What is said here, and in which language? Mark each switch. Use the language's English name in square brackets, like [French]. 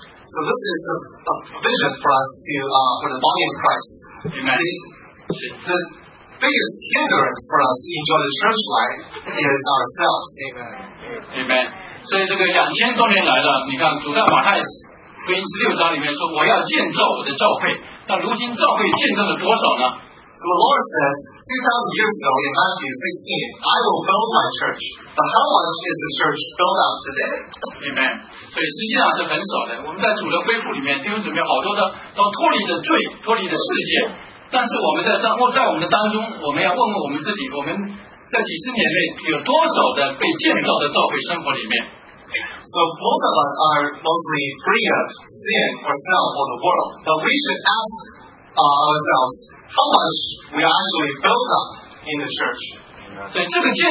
[English] So this is a vision for us to for the body of Christ. Amen. The biggest hindrance for us to enjoy the church life is ourselves. Amen. Amen. [Chinese] 所以这个2000多年来了，你看主在马太福音16章里面说，我要建造我的教会。但如今教会建造了多少呢？ [English] So the Lord says 2,000 years ago in Matthew 16, I will build my church. But how much is the church built up today? Amen. [Chinese] 所以实际上是很少的。我们在主的恢复里面，弟兄姊妹好多的都脱离了罪，脱离了世界。但是我们在我们的当中，我们要问问我们自己，我们在几十年内有多少的被建造的教会生活里面？ [English] So most of us are mostly free of sin or self or the world. But we should ask ourselves how much we are actually built up in the church.